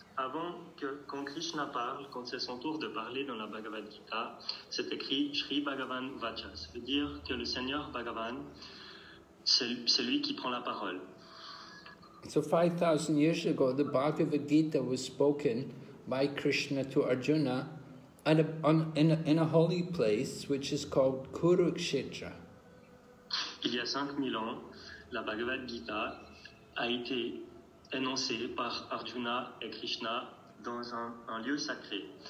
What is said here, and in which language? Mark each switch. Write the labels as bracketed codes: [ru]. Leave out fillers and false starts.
[fr] Avant que quand Krishna parle, quand c'est son tour de parler dans la Bhagavad Gita, c'est écrit Sri Bhagavan Vacha. Ça veut dire que le Seigneur Bhagavan, c'est lui qui prend la parole. [en] So 5,000 years ago, the Bhagavad Gita was spoken by Krishna to Arjuna in a holy place which is called Kurukshetra. [fr] Il y a 5,000 ans, la Bhagavad Gita a été énoncé par Arjuna et Krishna dans un lieu sacré,